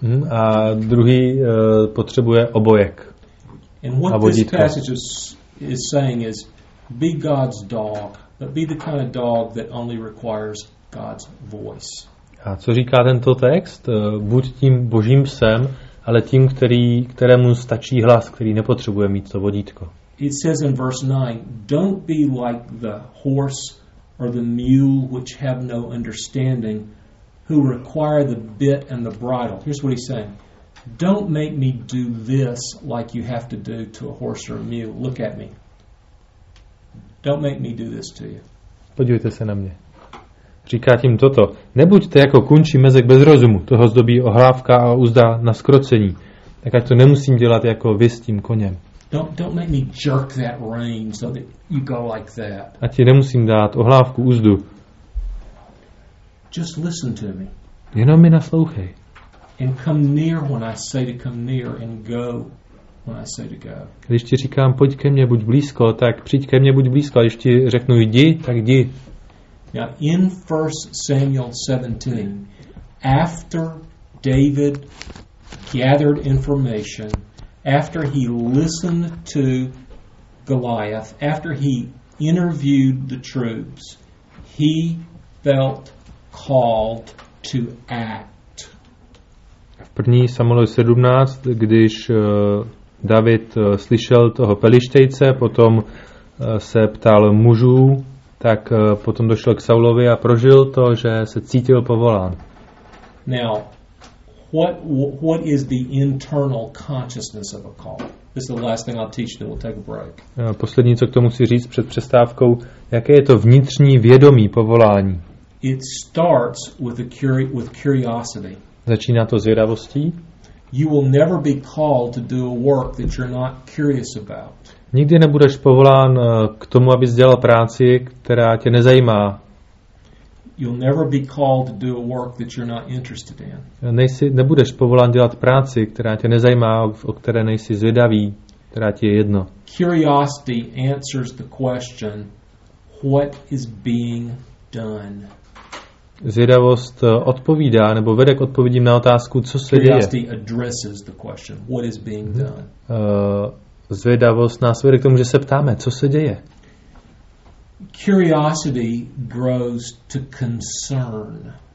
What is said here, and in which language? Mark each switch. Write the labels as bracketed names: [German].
[Czech] A druhý potřebuje obojek. [English] And what this passage is saying is, be God's dog, but be the kind of dog that only requires God's voice. [Czech] A co říká tento text? Buď tím božím psem, ale tím, kterému stačí hlas, který nepotřebuje mít to vodítko. [English] It says in verse 9, don't be like the horse or the mule which have no understanding, who require the bit and the bridle. Here's what he's saying. Don't make me do this like you have to do to a horse or a mule. Look at me. Don't make me do this to you. [Czech] Podívejte se na mě. Říká tím toto. Nebuďte jako kůň či mezek bez rozumu. Toho zdobí ohlávka a uzda na skrocení. Tak ať to nemusím dělat jako vy s tím koněm. [English] Don't make me jerk that rein so that you go like that. [Czech] Ať ti nemusím dát ohlávku, uzdu. [English] Just listen to me. [Czech] Jenom mi naslouchej. [English] And come near when I say to come near and go when I say to go. [Czech] Když ti říkám, pojď ke mně, buď blízko, tak přijď ke mně, buď blízko. A když ti řeknu, jdi, tak jdi. [English] Now, in 1 Samuel 17, after David gathered information, after he listened to Goliath, after he interviewed the troops, he felt called to act. [Czech] V 1 Samuel 17, když David slyšel toho Pelištejce, potom se ptal mužů, tak potom došel k Saulovi a prožil to, že se cítil povolán. [English] Now, what is the internal consciousness of a call? This is the last thing I'll teach, then we'll take a break. [Czech] Poslední, co k tomu si říct před přestávkou, jaké je to vnitřní vědomí povolání? [English] It starts with curiosity. [Czech] Začíná to zvědavostí. [English] You will never be called to do a work that you're not curious about. [Czech] Nikdy nebudeš povolán k tomu, abys dělal práci, která tě nezajímá. [English] You'll never be called to do a work that you're not interested in. [Czech] Nebudeš povolán dělat práci, která tě nezajímá, o které nejsi zvědavý, která ti je jedno. [English] Curiosity answers the question, what is being done. [Czech] Zvědavost odpovídá nebo vede k odpovědím na otázku, co se děje. [English] Curiosity addresses the question, what is being done. [Czech] Zvědavost nás vede k tomu, že se ptáme, co se děje. [English] Curiosity grows to concern.